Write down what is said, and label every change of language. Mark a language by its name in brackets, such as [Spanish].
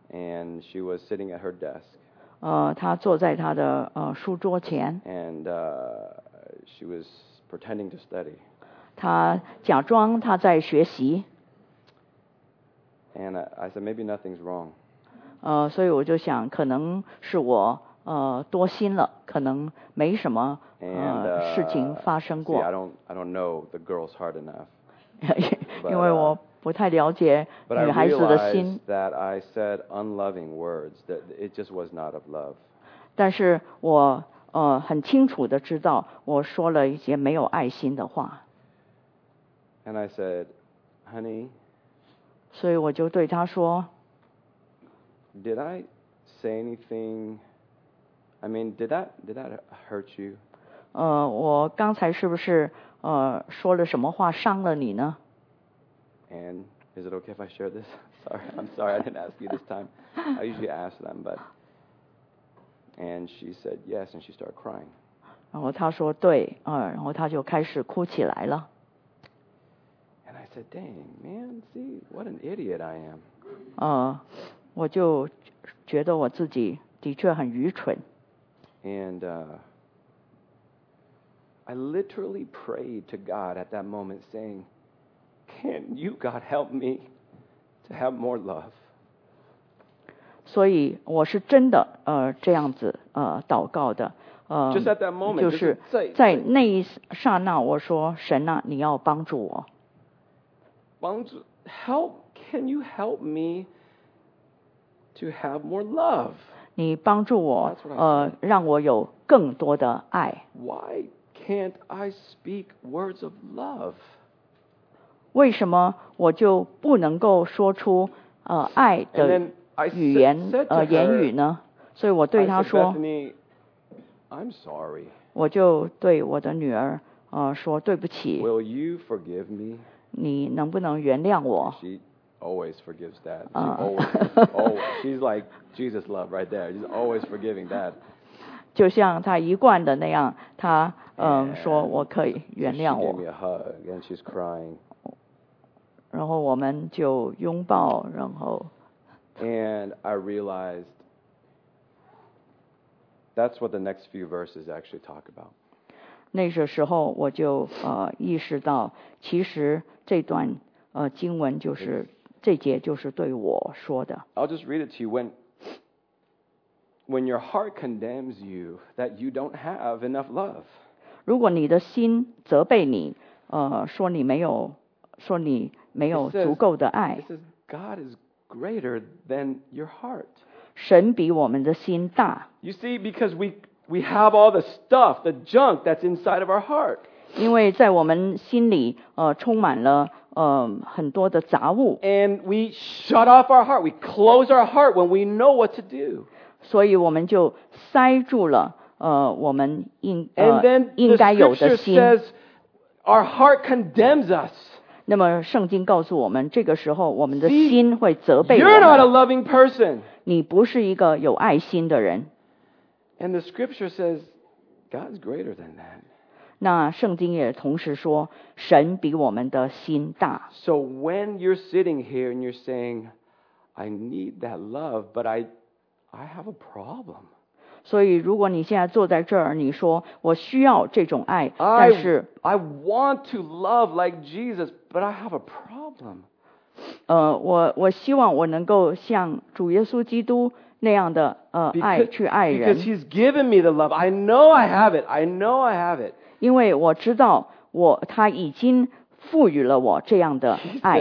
[English] And she was sitting at her desk. [Chinese] 她坐在她的、书桌前。 [English] And、she was... Pretending to study. [Chinese] 他假装他在学习。 [English] And I said, maybe nothing's wrong. [Chinese] 所以我就想，可能是我多心了，可能没什么事情发生过。 [English] I don't know the girl's heart enough. [Chinese] 因为我不太了解女孩子的心。 [English] But I realized that I said unloving words, that it just was not of love. [Chinese] 但是我很清楚的知道我说了一些没有爱心的话。 [English] And I said, honey, [Chinese] 所以我就对他说 [English] Did I say anything? I mean, did that hurt you? [Chinese] 我刚才是不是说了什么话伤了你呢 [English] And is it okay if I share this? I'm sorry I didn't ask you this time. I usually ask them, but... And she said yes, and she started crying. [Chinese] 然后她说对，然后她就开始哭起来了。 [English] And I said, "Dang, man, see what an idiot I am." [Chinese] 我就觉得我自己的确很愚蠢。 [English] And、I literally prayed to God at that moment, saying, "Can you, God, help me to have more love?" [Chinese] 所以我是真的。这样子祷告的 [English] just at that moment, [Chinese] 就是在那一刹那我说神啊你要帮助我帮助 [English] help can you help me to have more love [Chinese] 你帮助我让我有更多的爱 [English] why can't I speak words of love [Chinese] 为什么我就不能够说出爱的语言言语呢所以我对她说 [English] I'm sorry. [Chinese] 我就对我的女儿说对不起 [English] Will you forgive me? [Chinese] 你能不能原谅我 [English] She always forgives that she always, She's like Jesus love right there She's always forgiving that [Chinese] 就像她一贯的那样她说我可以原谅我 [English] She gave me a hug and she's crying [Chinese] 然后我们就拥抱然后 [English] And I realizedThat's what the next few verses actually talk about. [Chinese] 那个时候我就意识到，其实这段经文就是这节就是对我说的。 [English] I'll just read it to you. When your heart condemns you that you don't have enough love. [Chinese] 如果你的心责备你，说你没有，说你没有足够的爱。 [English] It says God is greater than your heart. [Chinese] 神比我们的心大。 [English] You see, because we have all the stuff, the junk that's inside of our heart. [Chinese] 因为在我们心里充满了很多的杂物。 [English] And we shut off our heart, we close our heart when we know what to do. [Chinese] 所以我们就塞住了我们应 [English] And then [Chinese] 应该有的心。 [English] The scripture says our heart condemns us. [Chinese] 那么圣经告诉我们，这个时候我们的心会责备我们。 [English] You're not a loving person. [Chinese] 你不是一个有爱心的人。 [English] And the scripture says God's greater than that. [Chinese] 那圣经也同时说，神比我们的心大。 [English] So when you're sitting here and you're saying, I need that love, but I have a problem. [Chinese] 所以如果你现在坐在这儿，你说我需要这种爱，但是 [English] I want to love like Jesus, but I have a problem. [Chinese] 我希望我能够像主耶稣基督那样的爱去爱人。 [English] Because He's given me the love, I know I have it. I know I have it. [Chinese] 因为我知道我他已经赋予了我这样的爱